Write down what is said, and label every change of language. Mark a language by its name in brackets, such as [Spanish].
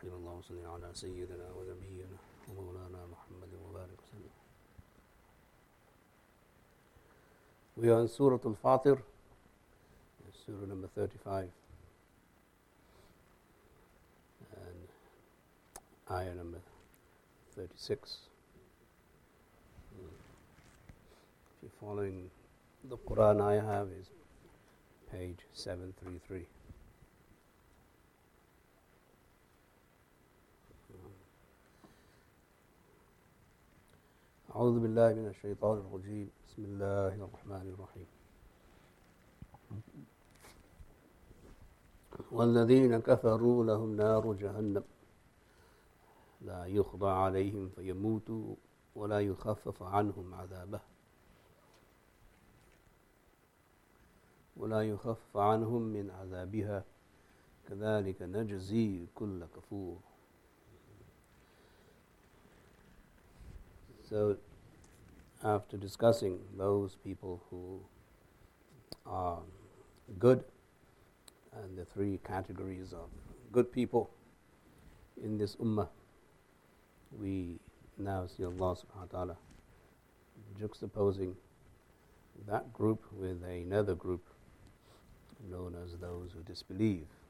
[Arabic] اللهم صل على سيدنا ونبينا ومولانا محمد وبارك وسلم. [English] We are in Surah Fatir, Surah number 35, and Ayah number 36. If you're following the Quran, I have is page 733. [Arabic] أعوذ بالله من الشيطان الرجيم بسم الله الرحمن الرحيم والذين كفروا لهم نار جهنم لا يقضى عليهم فيموتوا ولا يخفف عنهم عذابه ولا يخفف عنهم من عذابها كذلك نجزي كل كفور. [English] So after discussing those people who are good and the three categories of good people in this ummah, we now see Allah subhanahu wa ta'ala juxtaposing that group with another group known as those who disbelieve.